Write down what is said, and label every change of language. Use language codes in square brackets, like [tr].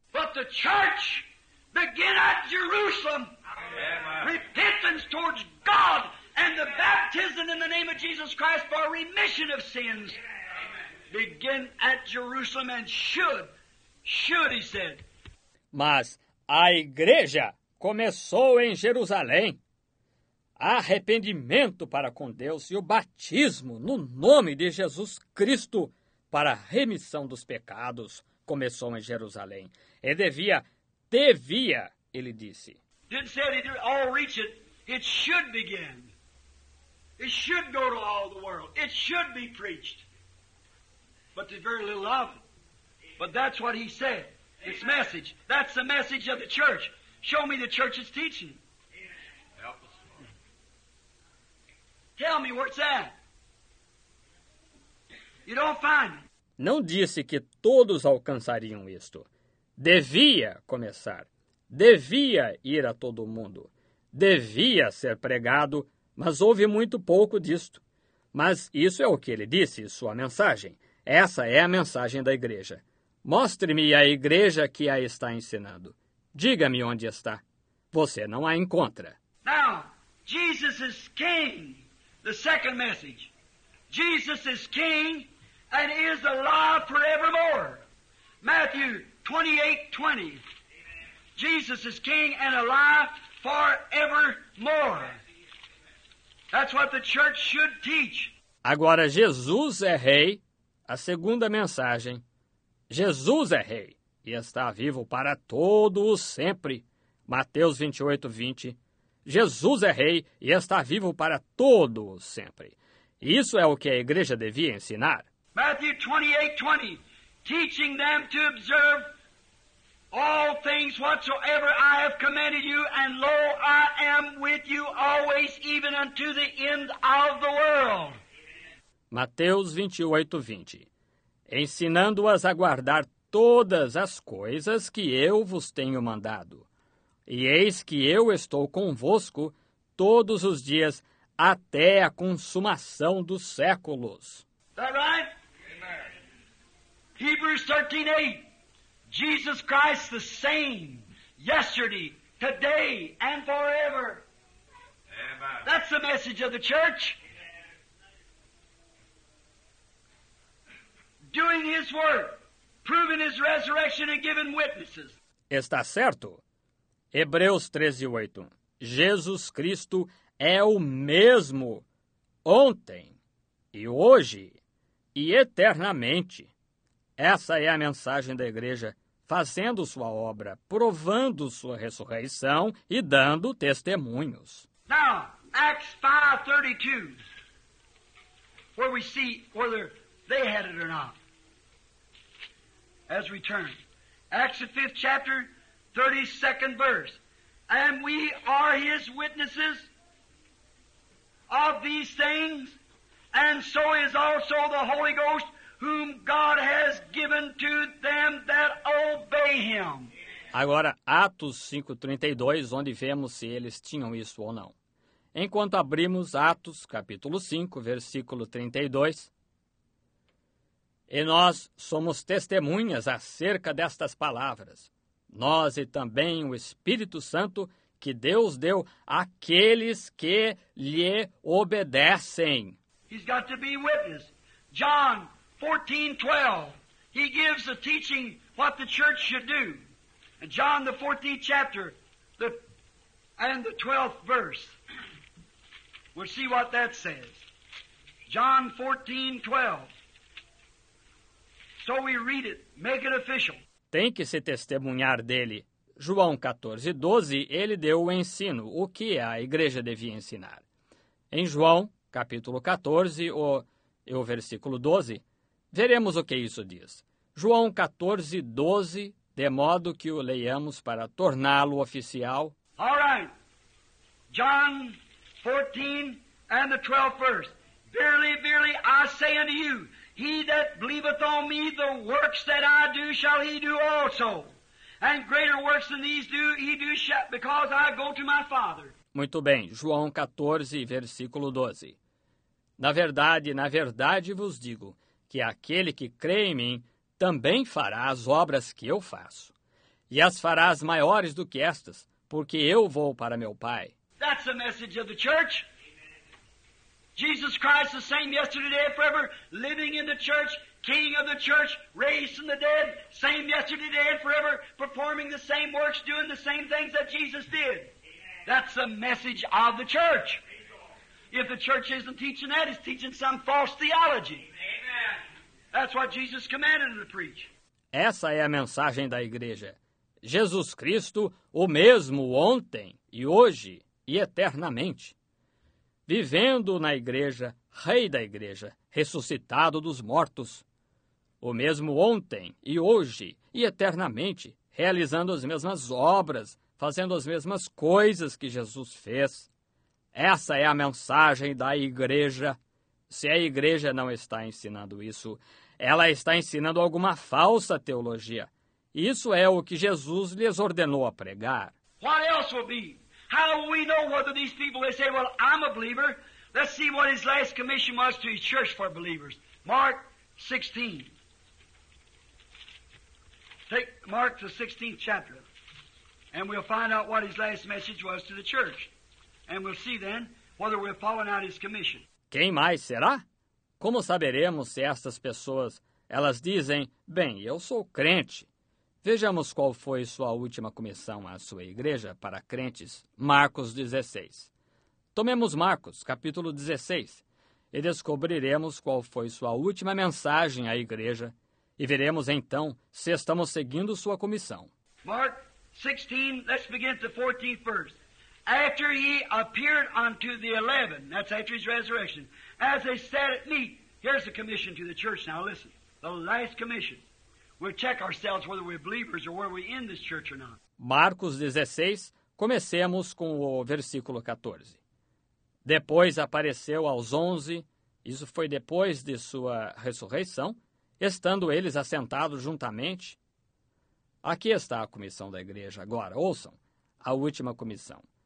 [en] But the church began at Jerusalem. Amen. Repentance towards God. And the baptism in the name of Jesus Christ for remission of sins begin at Jerusalem and should, he said. [pt] Mas a igreja começou em Jerusalém. Arrependimento para com Deus e o batismo no nome de Jesus Cristo para remissão dos pecados começou em Jerusalém. E devia, ele disse. [en] Didn't say it all reach it. It should begin. It should go to all the world. It should be preached. But there's very little of it. But that's what he said. Its Amen. Message. That's the message of the church. Show me the church's teaching. Help us. Tell me where it's at. You don't find it. [pt] Não disse que todos alcançariam isto. Devia começar. Devia ir a todo mundo. Devia ser pregado. Mas houve muito pouco disto. Mas isso é o que ele disse, sua mensagem. Essa é a mensagem da igreja. Mostre-me a igreja que a está ensinando. Diga-me onde está. Você não a encontra. [en] Now, Jesus is king, the second message. Jesus is king and is alive forevermore. Matthew 28:20. Jesus is king and alive forevermore. That's what the church should teach. [pt] Agora, Jesus é rei. A segunda mensagem. Jesus é rei e está vivo para todo o sempre. Mateus 28, 20. Jesus é rei e está vivo para todo o sempre. Isso é o que a igreja devia ensinar. [en] Matthew 28, 20. Teaching them to observe all things whatsoever I have commanded you, and lo, I am with you always, even unto the end of the world. [pt] Mateus 28, 20. Ensinando-as a guardar todas as coisas que eu vos tenho mandado. E eis que eu estou convosco todos os dias até a consumação dos séculos. [en] That right? Hebrews 13:8. Jesus Christ the same yesterday, today, and forever. Amen. That's the message of the church. Amen. Doing his work, proving his resurrection and giving witnesses. [pt] Está certo? Hebreus 13:8. Jesus Cristo é o mesmo ontem e hoje e eternamente. Essa é a mensagem da igreja, fazendo sua obra, provando sua ressurreição e dando testemunhos. [en] Now, Acts 5:32, where we see whether they had it or not, as we turn. Acts 5th chapter, 32nd verse. And we are his witnesses of these things, and so is also the Holy Ghost, whom God has given to them that obey him. [pt] Agora, Atos 5:32, onde vemos se eles tinham isso ou não. Enquanto abrimos Atos, capítulo 5, versículo 32. E nós somos testemunhas acerca destas palavras, nós e também o Espírito Santo, que Deus deu àqueles que lhe obedecem. [en] He's got to be witness. John 14:12, he gives a teaching what the church should do. John, the 14th chapter, the 12th verse. We'll see what that says. John 14:12. So we read it, make it official. [pt] Tem que se testemunhar dele. João 14:12, ele deu o ensino, o que a igreja devia ensinar. Em João, capítulo 14, o versículo 12, veremos o que isso diz. João 14, 12, de modo que o leiamos para torná-lo oficial. [en] All right. John 14 and the 12th verse. Verily, verily, I say unto you, he that believeth on me, the works that I do shall he do also. And greater works than these do he do, because I go to my Father. [pt] Muito bem. João 14, versículo 12. Na verdade, vos digo que aquele que crê em mim também fará as obras que eu faço, e as fará as maiores do que estas, porque eu vou para meu Pai. [en] That's the message of the church. Jesus Christ, the same yesterday, today, forever, living in the church, King of the church, raised from the dead, same yesterday, today, and forever, performing the same works, doing the same things that Jesus did. That's the message of the church. If the church isn't teaching that, it's teaching some false theology. That's what Jesus commanded to preach. [pt] Essa é a mensagem da igreja. Jesus Cristo, o mesmo ontem e hoje e eternamente. Vivendo na igreja, rei da igreja, ressuscitado dos mortos. O mesmo ontem e hoje e eternamente, realizando as mesmas obras, fazendo as mesmas coisas que Jesus fez. Essa é a mensagem da igreja. Se a igreja não está ensinando isso, ela está ensinando alguma falsa teologia. Isso é o que Jesus lhes ordenou a pregar. [en] What else will be? How will we know whether these people, they say, well, I'm a believer. Let's see what his last commission was to his church for believers. Mark 16. Take Mark the 16th chapter. And we'll find out what his last message was to the church. And we'll see then whether we're following out his commission. [pt] Quem mais será? Como saberemos se estas pessoas, elas dizem, bem, eu sou crente. Vejamos qual foi sua última comissão à sua igreja para crentes, Marcos 16. Tomemos Marcos, capítulo 16, e descobriremos qual foi sua última mensagem à igreja, e veremos então se estamos seguindo sua comissão. [en] Mark 16, let's begin the 14th verse. After he appeared unto the 11, that's after his resurrection, as they sat at meat, here's the commission to the church now, listen, the last commission. We'll check ourselves whether we're believers or whether we're in this church or not. [pt] Marcos 16, comecemos com o versículo 14. Depois apareceu aos 11, isso foi depois de sua ressurreição, estando eles assentados juntamente. Aqui está a comissão da igreja agora, ouçam, a última comissão.